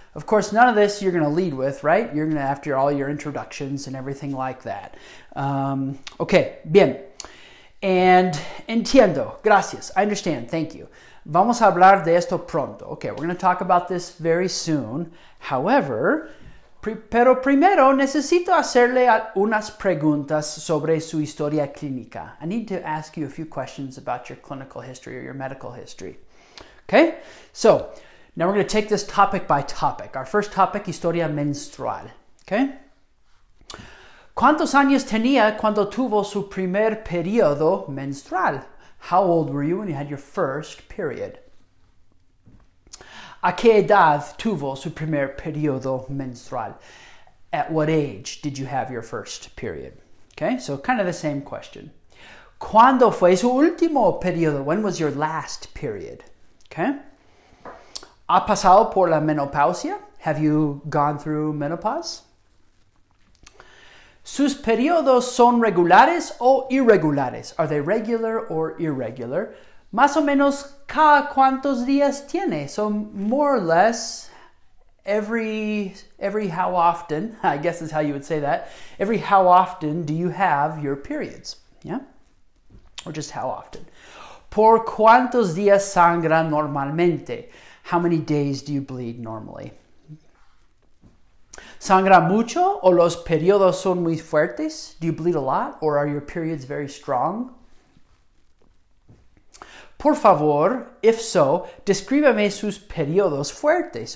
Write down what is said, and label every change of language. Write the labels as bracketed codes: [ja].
[en] Of course, none of this you're going to lead with, right? You're going to have to do all your introductions and everything like that. Okay, [es] bien. [en] And [es] entiendo. Gracias. [en] I understand. Thank you. [es] Vamos a hablar de esto pronto. [en] Okay, we're going to talk about this very soon. However, [es] pero primero necesito hacerle unas preguntas sobre su historia clínica. [en] I need to ask you a few questions about your clinical history or your medical history. Okay? So, now we're going to take this topic by topic. Our first topic, [es] historia menstrual. [en] Okay? [es] ¿Cuántos años tenía cuando tuvo su primer periodo menstrual? [en] How old were you when you had your first period? [es] ¿A qué edad tuvo su primer periodo menstrual? [en] At what age did you have your first period? Okay, so kind of the same question. [es] ¿Cuándo fue su último periodo? [en] When was your last period? Okay. [es] ¿Ha pasado por la menopausia? [en] Have you gone through menopause? [es] ¿Sus periodos son regulares o irregulares? [en] Are they regular or irregular? [es] Más o menos, ¿cada cuántos días tiene? [en] So, more or less, every how often, I guess is how you would say that, every how often do you have your periods, yeah? Or just how often. [es] ¿Por cuántos días sangra normalmente? [en] How many days do you bleed normally? [es] ¿Sangra mucho o los periodos son muy fuertes? [en] Do you bleed a lot or are your periods very strong? [es] Por favor, [en] if so, [es] descríbeme sus periodos fuertes.